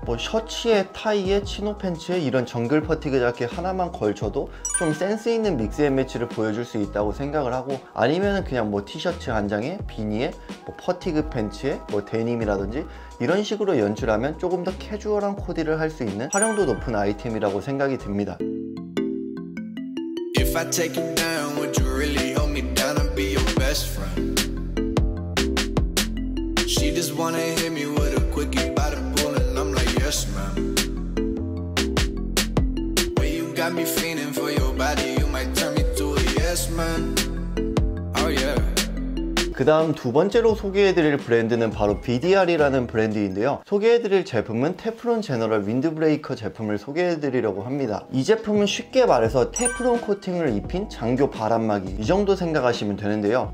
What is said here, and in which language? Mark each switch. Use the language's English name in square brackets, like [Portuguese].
[Korean] 뭐 셔츠에, 타이에, 치노 팬츠에 이런 정글 퍼티그 자켓 하나만 걸쳐도 좀 센스 있는 믹스 앤 매치를 보여줄 수 있다고 생각을 하고, 아니면 그냥 뭐 티셔츠 한 장에, 비니에, 뭐 퍼티그 팬츠에, 뭐 데님이라든지 이런 식으로 연출하면 조금 더 캐주얼한 코디를 할 수 있는 활용도 높은 아이템이라고 생각이 듭니다. [English] If I take it down, would you really hold me down and be your best friend? She just wanna hit me with a quickie by the pool and I'm like, yes, ma'am. When you got me feeling for your body, you might turn me to a yes, man. [Korean] 그 다음 두 번째로 소개해드릴 브랜드는 바로 VDR이라는 브랜드인데요. 소개해드릴 제품은 테프론 제너럴 윈드브레이커 제품을 소개해드리려고 합니다. 이 제품은 쉽게 말해서 테프론 코팅을 입힌 장교 발암막이, 이 정도 생각하시면 되는데요.